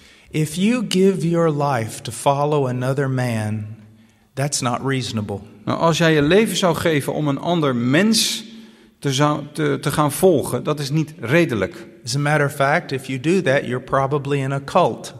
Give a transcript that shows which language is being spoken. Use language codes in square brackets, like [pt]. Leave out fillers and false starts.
[en] If you give your life to follow another man, that's not reasonable. [nl] Nou, als jij je leven zou geven om een ander mens te gaan volgen, dat is niet redelijk. [en] As a matter of fact, if you do that, you're probably in a cult.